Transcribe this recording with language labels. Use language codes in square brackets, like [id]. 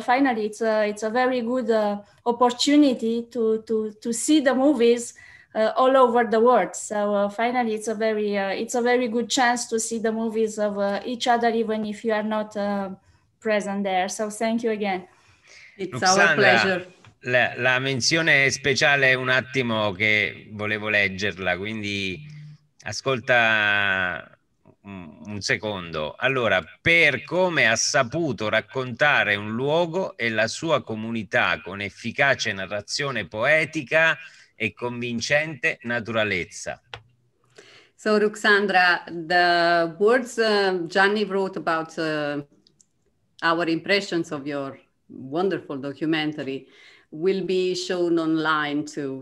[en] Finally, it's a very good opportunity to see the movies all over the world. So finally, it's a very good chance to see the movies of each other, even if you are not present there. So thank you again. It's Ruxandra, our pleasure. [it] La menzione speciale, un attimo, che volevo leggerla, quindi ascolta un secondo. Allora, per come ha saputo raccontare un luogo e la sua comunità con efficace narrazione poetica e convincente naturalezza. [en] So Ruxandra, the words Gianni wrote about our impressions of your wonderful documentary will be shown online too.